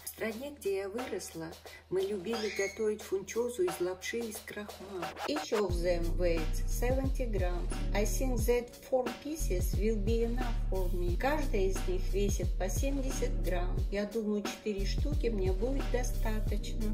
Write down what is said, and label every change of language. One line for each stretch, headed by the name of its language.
Russian: В стране, где я выросла, мы любили готовить фунчозу из лапши из крахмала.
English: Each of them weighs 70 grams. I think that 4 pieces will be enough for me.
Russian: Каждая из них весит по 70 грамм. Я думаю, 4 штуки мне будет достаточно.